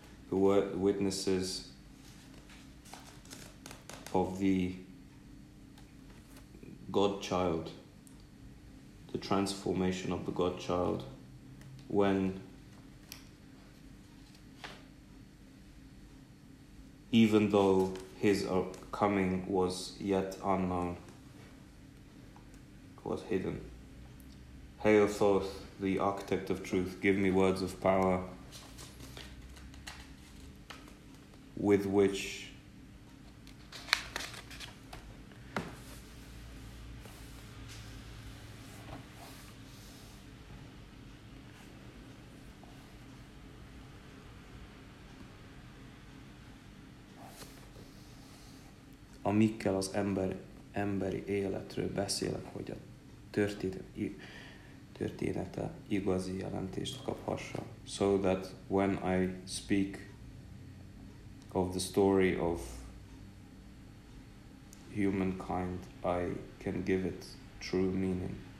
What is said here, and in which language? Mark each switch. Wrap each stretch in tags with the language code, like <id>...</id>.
<en>Who were witnesses of the godchild, the transformation of the godchild, when even though his coming was yet unknown, was hidden. Hail Thoth, the architect of truth, give me words of power with which</en> <hu>amikkel az emberi életről beszélek, hogy a története igazi jelentést kaphassa.</hu> <en>So that when I speak of the story of humankind, I can give it true meaning.</en>